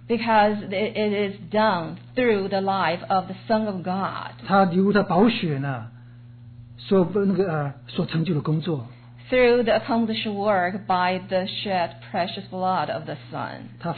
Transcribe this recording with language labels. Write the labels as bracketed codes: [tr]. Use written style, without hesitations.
[en] Because it is done through the life of the Son of God. [zh] 他流的宝血呢，所成就的工作。 [en] Through the accomplished work by the shed precious blood of the Son.